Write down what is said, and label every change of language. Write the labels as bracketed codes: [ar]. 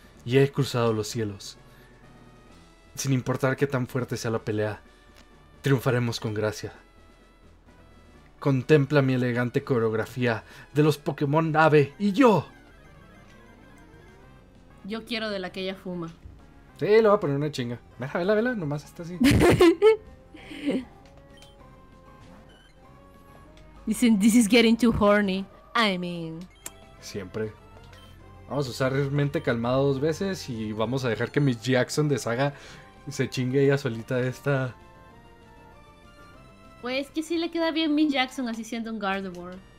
[es] Y he cruzado los cielos. Sin importar qué tan fuerte sea la pelea, triunfaremos con gracia. Contempla mi elegante coreografía de los Pokémon ave y yo. Yo quiero de la que ella fuma. Sí, le voy a poner una chinga. Vela, vela, vela, nomás está así. Dicen, [en] this is getting too horny. I mean... [es] Siempre. Vamos a usar mente calmada dos veces y vamos a dejar que Miss Jackson de Saga... se chingue ella solita esta. Pues que sí le queda bien Miss Jackson así siendo un Gardevoir.